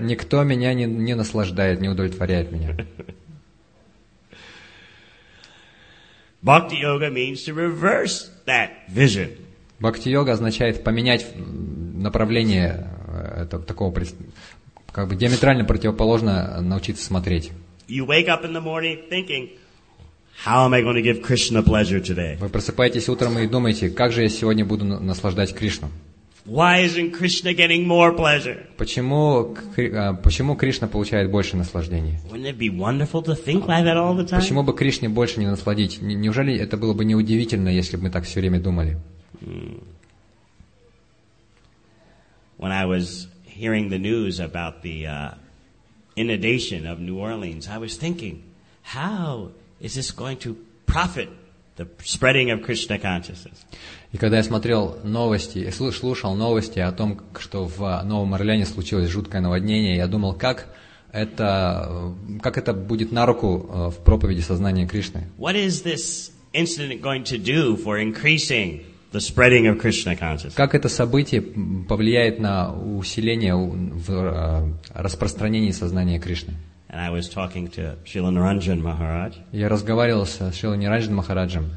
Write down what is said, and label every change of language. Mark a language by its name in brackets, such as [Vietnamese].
[Russian] Никто меня не наслаждает, не удовлетворяет меня. [English] Bhakti yoga means to reverse that vision. [Russian] Bhakti yoga означает поменять направление этого такого, как бы диаметрально противоположно научиться смотреть. [English] You wake up in the morning thinking, "How am I going to give Krishna pleasure today?" [Russian] Вы просыпаетесь утром и думаете, как же я сегодня буду наслаждать Кришну? [English] Why isn't Krishna getting more pleasure? [Russian] Почему Кришна получает больше наслаждения? [English] Wouldn't it be wonderful to think like that all the time? [Russian] Почему бы Кришне больше не насладить? Неужели это было бы неудивительно, если бы мы так все время думали? [English] When I was hearing the news about the inundation of New Orleans, I was thinking, how is this going to profit the spreading of Krishna consciousness? [Russian] И когда я смотрел новости, слушал новости о том, что в Новом Орлеане случилось жуткое наводнение, я думал, как это будет на руку в проповеди сознания Кришны? [English] What is this incident going to do for increasing the spreading of Krishna consciousness? [Russian] Как это событие повлияет на усиление в распространении сознания Кришны? [English] And I was talking to Srila Niranjan Maharaj. [Russian] Я разговаривал с Шрила Ниранджан Махараджем.